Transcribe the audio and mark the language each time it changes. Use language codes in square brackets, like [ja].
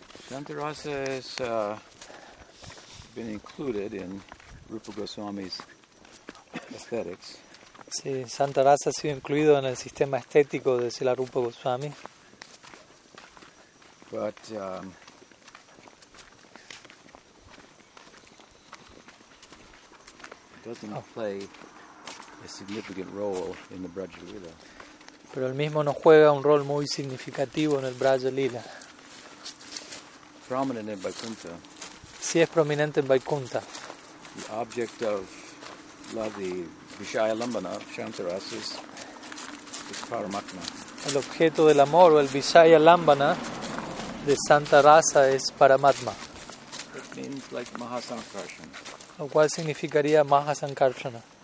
[en] Santa-rasa has been included in Rupa Goswami's aesthetics. [es] Sí, Santa-rasa ha sido incluido en el sistema estético de Sila Rupa Goswami. [en] But doesn't play a significant role in the Braja Lila. [es] Pero el mismo no juega un rol muy significativo en el Braja Lila. [en] Prominent in Vaikuntha. [es] Sí, es prominente en Vaikuntha. [en] The object of love, the Vishaya Lambana, Santa-rasa, is Paramatma. [es] El objeto del amor o el Vishaya Lambana de Santa-rasa es Paramatma. [en] It means like Mahasankarsana. [es] Lo cual significaría Mahasankarsana.